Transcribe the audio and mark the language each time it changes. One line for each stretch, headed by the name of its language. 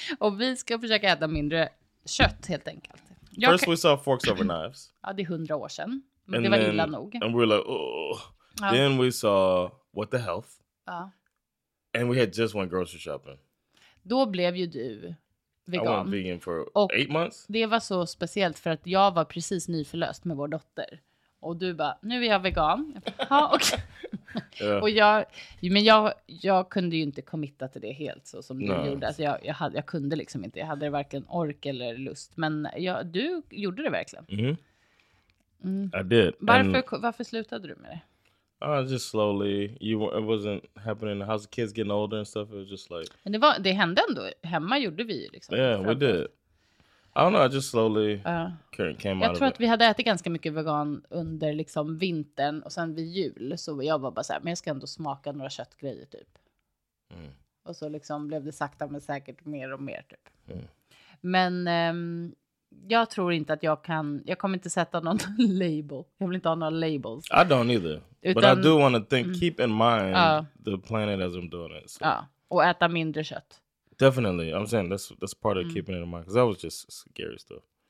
Swedish: Och vi ska försöka äta mindre kött helt enkelt.
English: First we saw forks over knives.
Swedish: Ja, det är 100 år sedan. Men det var
English: then,
Swedish: illa nog.
English: And we were like, oh. Ja. Then we saw what the health.
Swedish: Ja.
English: And we had just went grocery shopping.
Swedish: Då blev ju du vegan.
English: I went vegan for 8 months.
Swedish: Det var så speciellt för att jag var precis nyförlöst med vår dotter. Och du bara, nu är jag vegan. Ja, okej. Okay. Yeah. Men jag kunde ju inte committa till det helt så som du gjorde. Alltså jag kunde liksom inte. Jag hade varken ork eller lust. Men du gjorde det verkligen.
English: Mm. I did.
Swedish: Varför slutade du med det?
English: Just slowly. It wasn't happening. How's the kids getting older and stuff? It was just like...
Swedish: Men det hände ändå. Hemma gjorde vi liksom.
English: Yeah, we did. I don't know, I just slowly came
Swedish: out. Jag tror att vi hade ätit ganska mycket vegan under liksom vintern och sen vid jul, så jag var bara så här, men jag ska ändå smaka några köttgrejer typ. Mm. Och så liksom blev det sakta men säkert mer och mer typ. Mm. Men jag tror inte att jag kommer inte sätta någon label. Jag vill inte ha några labels.
English: I don't either. Utan, but I do want to think keep in mind the planet as I'm doing it.
Swedish: So. Och äta mindre kött.
English: Definitely. I'm saying that's part of keeping it in mind. Because that was just scary stuff.